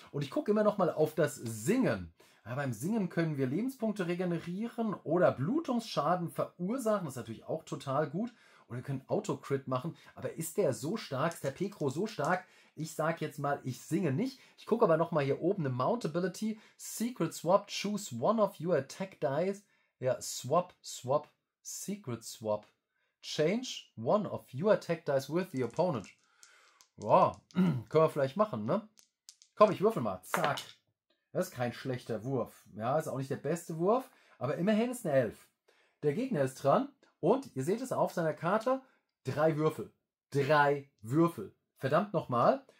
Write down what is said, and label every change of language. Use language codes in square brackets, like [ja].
[de] Und ich gucke immer noch mal auf das Singen. Ja, beim Singen können wir Lebenspunkte regenerieren oder Blutungsschaden verursachen. Das ist natürlich auch total gut. Oder wir können Auto-Crit machen. Aber ist der so stark? Ist der Pekro so stark? Ich sage jetzt mal, ich singe nicht. Ich gucke aber nochmal hier oben eine Mountability. [en] Secret Swap, choose one of your attack dice. Ja, Swap, Secret Swap. Change one of your attack dice with the opponent. [de] Wow, können wir vielleicht machen, ne? Komm, ich würfel mal. Zack. Das ist kein schlechter Wurf. Ja, ist auch nicht der beste Wurf. Aber immerhin ist eine 11. Der Gegner ist dran. Und ihr seht es auf seiner Karte. 3 Würfel. 3 Würfel. Verdammt nochmal.